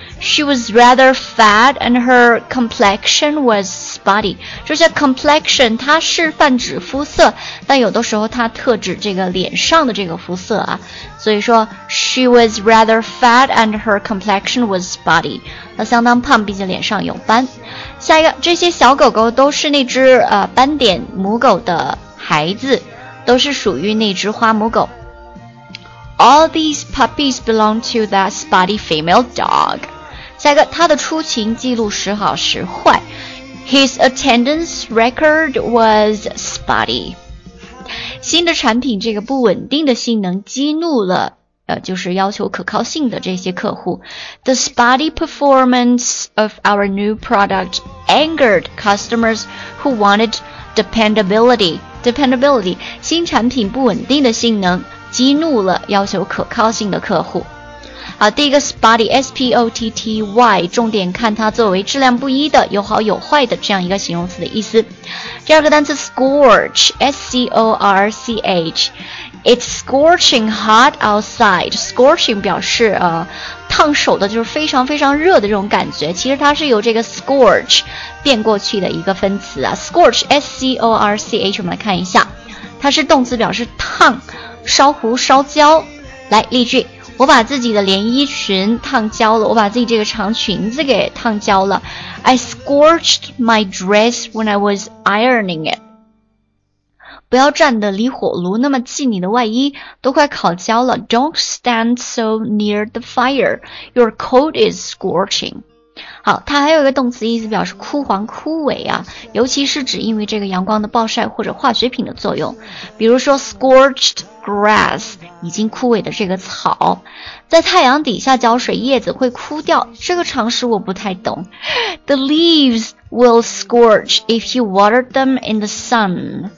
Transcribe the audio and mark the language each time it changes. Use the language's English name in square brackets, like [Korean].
[English] She was rather fat and her complexion was spotty. [Chinese] 这些 complexion 它是泛指肤色，但有的时候它特指这个脸上的这个肤色啊。所以说 [English] She was rather fat and her complexion was spotty. [Chinese] 她相当胖，毕竟脸上有斑。下一个，这些小狗狗都是那只斑点母狗的孩子，都是属于那只花母狗。 [English] All these puppies belong to that spotty female dog. [Chinese] 下一个，他的出勤记录时好时坏。 [English] His attendance record was spotty. [Chinese] 新的产品这个不稳定的性能激怒了就是要求可靠性的这些客户。 [English] The spotty performance of our new product angered customers who wanted dependability. [Chinese] Dependability, 新产品不稳定的性能激怒了要求可靠性的客户。好，第一个 spotty, S-P-O-T-T-Y, 重点看它作为质量不一的、有好有坏的这样一个形容词的意思。第二个单词 [English] scorch, S-C-O-R-C-H, It's scorching hot outside. [Chinese] Scorching 表示烫手的，就是非常非常热的这种感觉。其实它是由这个 scorch 变过去的一个分词啊。 Scorch, S-C-O-R-C-H, 我们来看一下。它是动词表示烫。烧糊烧焦，来例句，我把自己的连衣裙烫焦了，我把自己这个长裙子给烫焦了。 [English] I scorched my dress when I was ironing it. [Chinese] 不要站得离火炉那么近，你的外衣都快烤焦了。 [English] Don't stand so near the fire. Your coat is scorching. [Chinese] 好，它还有一个动词意思表示枯黄枯萎啊，尤其是指因为这个阳光的暴晒或者化学品的作用，比如说 scorchedgrass 已经枯萎的这个草，在太阳底下浇水叶子会枯掉，这个常识我不太懂。 [English] The leaves will scorch if you water them in the sun.